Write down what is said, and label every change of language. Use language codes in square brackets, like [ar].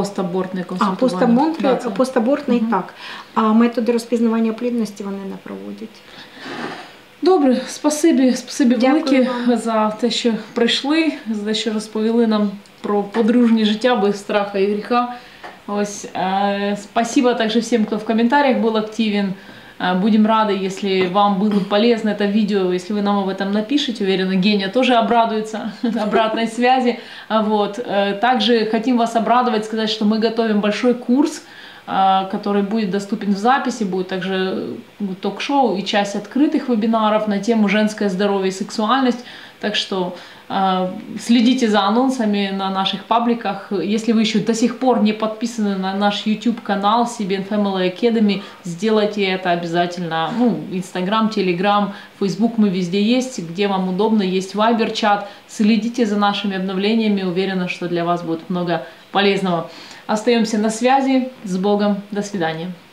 [uk] Постабортне консультування. А, постабортний, так. А методи розпізнавання плідності вони не проводять. Добре, спасибі, спасибі велике за те, що прийшли, за те, що розповіли нам про подружнє життя без страха і гріха. [ru] Ось, спасибо также всем, кто в комментариях был активен. Будем рады, если вам было полезно это видео, если вы нам об этом напишете. Уверена, Геня тоже обрадуется обратной связи. Вот. Также хотим вас обрадовать, сказать, что мы готовим большой курс, который будет доступен в записи. Будет также ток-шоу и часть открытых вебинаров на тему «Женское здоровье и сексуальность». Так что следите за анонсами на наших пабликах. Если вы еще до сих пор не подписаны на наш YouTube-канал CBN Family Academy, сделайте это обязательно. Ну, Instagram, Telegram, Facebook мы везде есть, где вам удобно, есть Viber-чат. Следите за нашими обновлениями, уверена, что для вас будет много полезного. Остаемся на связи. С Богом. До свидания.